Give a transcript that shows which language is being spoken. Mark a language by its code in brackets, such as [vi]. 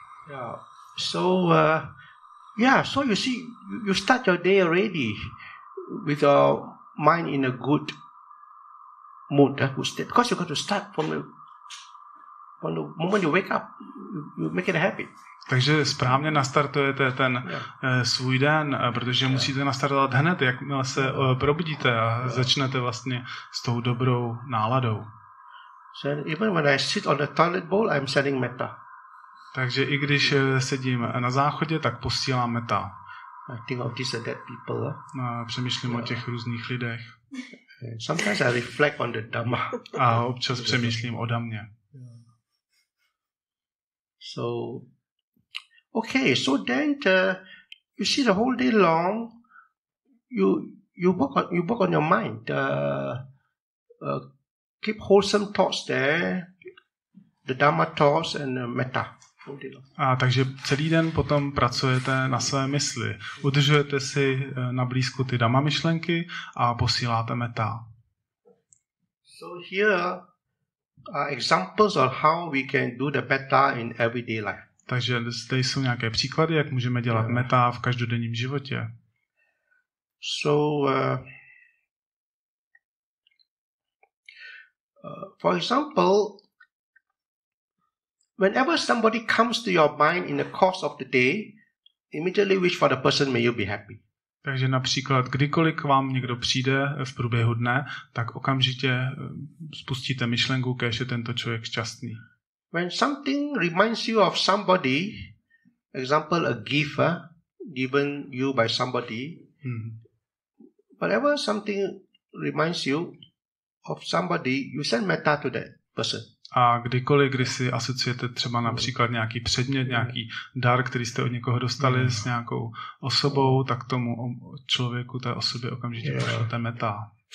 [en] Yeah. So, so you see, you start your day already with your mind in a good mood, good state, because you've got to start from the moment you wake up, you make it a habit. [cs] Takže správně nastartujete ten svůj den, protože musíte nastartovat hned, jakmile se probudíte a začnete vlastně s tou dobrou náladou. [en] So even when I sit on the toilet bowl, I'm sending metta. [cs] Takže i když sedím na záchodě, tak posílám metta. [en] I think of these dead people. [cs] Přemýšlím o těch různých lidech. [en] Sometimes I reflect on the Dhamma. [cs] A občas přemýšlím o Dhamě. [en] So okay, so then You see, the whole day long, you work on your mind. Keep wholesome thoughts there, the Dharma thoughts and the metta. [cs] A takže celý den potom pracujete na své mysli. Udržujete si na blízku ty Dhamma myšlenky a posíláte metta. [en] So here are examples of how we can do the metta in everyday life. [cs] Takže zde jsou nějaké příklady, jak můžeme dělat metta v každodenním životě. [en] So for example, whenever somebody comes to your mind in the course of the day, immediately wish for the person, may you be happy. [cs] Takže například, kdykoliv k vám někdo přijde v průběhu dne, tak okamžitě spustíte myšlenku, kéž je tento člověk šťastný. [en] When something reminds you of somebody, example a gift given you by somebody, whenever something reminds you of somebody, you send metta to that person. [cs] A kdykoliv, kdy si asociujete třeba například nějaký předmět, nějaký dar, který jste od někoho dostali s nějakou osobou, tak tomu člověku, té osobě okamžitě pošlete metta.